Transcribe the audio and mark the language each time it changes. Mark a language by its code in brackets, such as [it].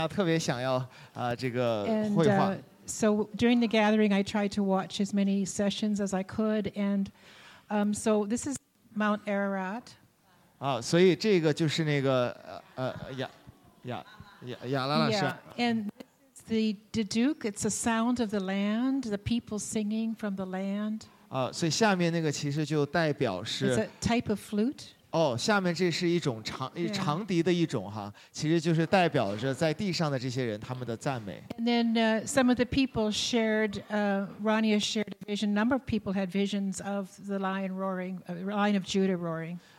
[zh] 所以其实我本来在亚美尼亚特别想要这个绘画。 [en] And so during the gathering, I tried to watch as many sessions as I could. And so this is Mount Ararat. [zh] 所以这个就是那个亚拉拉山。 [en] And this is the Duduk. It's a sound of the land, the people singing from the land. [zh] 所以下面那个其实就代表是。 [en] It's a type of flute. [zh] 下面这是一种长笛的一种，其实就是代表着在地上的这些人他们的赞美。 [en] And then some of the people shared, Rania shared a vision, a number of people had visions of the lion roaring, Lion of Judah roaring.